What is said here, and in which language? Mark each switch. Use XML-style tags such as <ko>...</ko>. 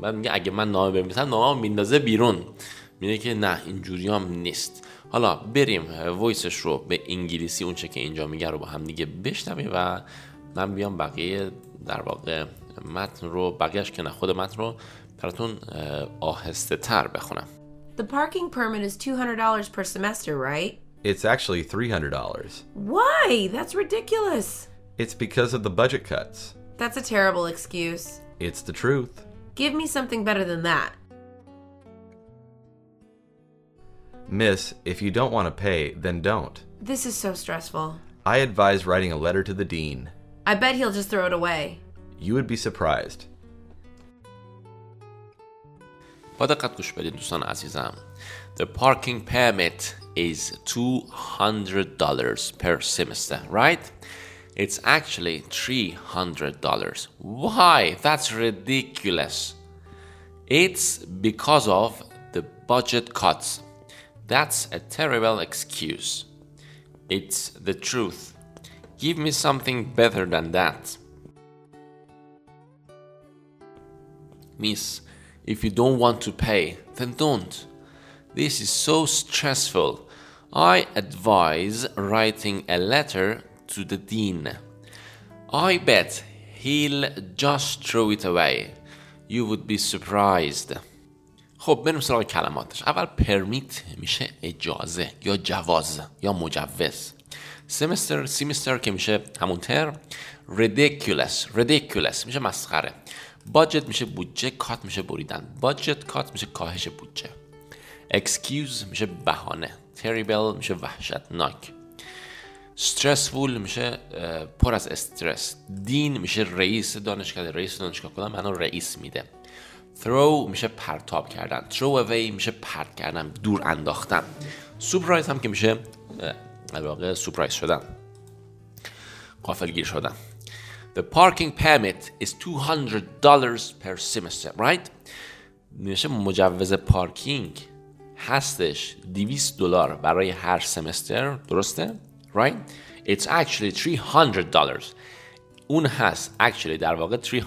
<fa>بعد میگه اگه من نامه بنویسم نامه میندازه بیرون. میگه که نه اینجوری هم نیست. حالا بریم وایسش رو به انگلیسی اونچه که اینجا میگه رو با هم دیگه بشنویم و من بیام بقیه در واقع متن رو، بقیهش که نه خود متن رو براتون آهسته تر بخونم.</fa> <en>The parking permit is $200 per semester, right? It's actually $300. Why? That's ridiculous. It's because of the budget cuts. That's a terrible excuse. It's the truth. Give me something better than that. Miss, if you don't want to pay, then don't. This is so stressful. I advise writing a letter to the dean. I bet he'll just throw it away. You would be surprised.</en> <fa>دقت گوش بدید دوستان عزیزم.</fa> <en>The parking permit is $200 per semester, right? It's actually $300. Why? That's ridiculous. It's because of the budget cuts. That's a terrible excuse. It's the truth. Give me something better than that. Miss, if you don't want to pay, then don't. This is so stressful. I advise writing a letter to the dean. I bet he'll just throw it away. You would be surprised.</en> <fa>خب بریم سراغ کلماتش. اول permit میشه اجازه یا جواز یا مجوز. semester که میشه همون ترم. ridiculous میشه مسخره. budget میشه بودجه، cut میشه بریدن. budget cut میشه کاهش بودجه. excuse میشه بهانه. terrible میشه وحشتناک. stressful میشه پر از استرس. دین میشه رئیس دانشکده، رئیس دانشگاه کدام منو رئیس میده. throw میشه پرتاب کردن. throw away میشه پرت کردن، دور انداختن. surprise هم که میشه در واقع surprise شدن، غافلگیر شدن.</fa> <en>the parking permit is $200 per semester, right?</en> <fa>میشه مجوز پارکینگ هستش $200 برای هر سمستر، درسته؟ right?</fa> <en>It's actually $300.</en> <fa>اون هست actually در واقع $300.</fa>